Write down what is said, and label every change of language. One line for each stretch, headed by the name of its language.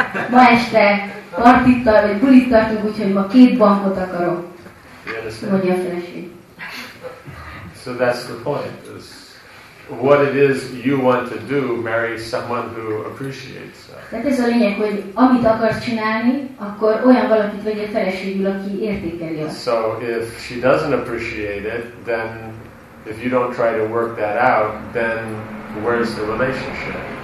Hungarian: Ma este partit tart, vagy bulit tartunk, úgyhogy ma két bankot akarok. Mondja a feleség.
English: So that's the point. What it is you want to do, marry someone who appreciates that.
Hungarian: Tehát ez a lényeg, hogy amit akarsz csinálni, akkor olyan valakit vegyél feleségül, aki értékeli azt.
English: So if she doesn't appreciate it, then if you don't try to work that out, then where's the relationship?